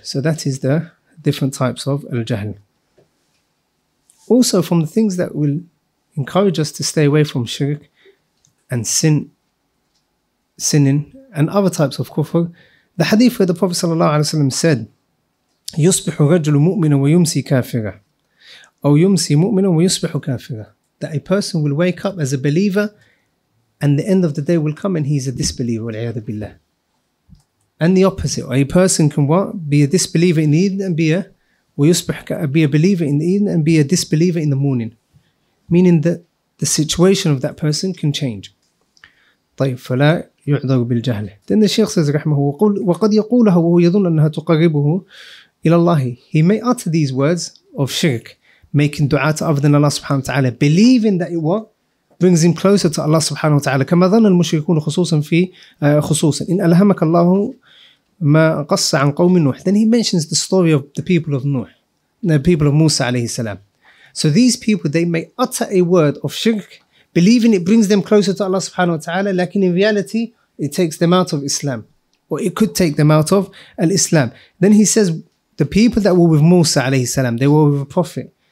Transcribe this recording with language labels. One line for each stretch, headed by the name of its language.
English: So that is the different types of al-jahl. Also, from the things that will encourage us to stay away from shirk and sinning, and other types of kufr, the hadith where the Prophet sallallahu alaihi wasallam said,
Arabic: "Yusbihu rajulu mu'mina wa yumsi kafira,"
English: or
Arabic: "Yumsi mu'mina wa yusbihu kafira,"
English: that a person will wake up as a believer, and the end of the day will come, and he is a disbeliever.
Arabic: Wal'iyadu billah.
English: And the opposite, or a person can what? Be a disbeliever in the evening and be a believer in the evening and be a disbeliever in the morning, meaning that the situation of that person can change.
Arabic: طيب فلا يعذر بالجهل.
English: Then the Shaykh says,
Arabic: رحمه وقول وقد يقولها وهو يظن أنها تقربه إلى الله.
English: He may utter these words of shirk, making dua to other than Allah subhanahu wa ta'ala, believing that it what? Brings him closer to Allah subhanahu wa ta'ala.
Arabic: كما ظن المشركون خصوصا في خصوصا إن ألهمك الله ما قص عن قوم نوح.
English: Then he mentions the story of the people of Nuh, the people of Musa عليه السلام. So these people, they may utter a word of shirk, believing it brings them closer to Allah subhanahu wa ta'ala, lakin in reality, it takes them out of Islam. Or it could take them out of al-Islam. Then he says, the people that were with Musa alayhi salam, they were with a prophet.